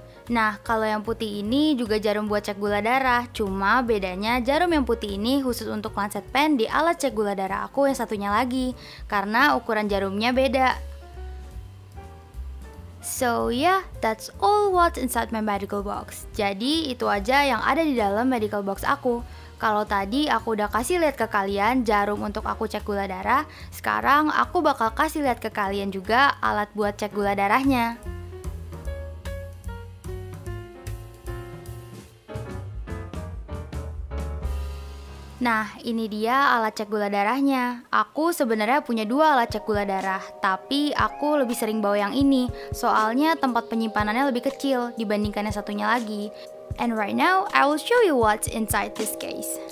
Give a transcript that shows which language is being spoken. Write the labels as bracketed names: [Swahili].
[Indonesian] Nah, kalau yang putih ini juga jarum buat cek gula darah, cuma bedanya jarum yang putih ini khusus untuk lancet pen di alat cek gula darah aku yang satunya lagi, karena ukuran jarumnya beda. [English] So yeah, that's all what's inside my medical box. [Indonesian] Jadi itu aja yang ada di dalam medical box aku. Kalau tadi aku udah kasih lihat ke kalian jarum untuk aku cek gula darah, sekarang aku bakal kasih lihat ke kalian juga alat buat cek gula darahnya. Nah, ini dia alat cek gula darahnya. Aku sebenarnya punya dua alat cek gula darah, tapi aku lebih sering bawa yang ini, soalnya tempat penyimpanannya lebih kecil dibandingkan yang satunya lagi. [English] And right now, I will show you what's inside this case.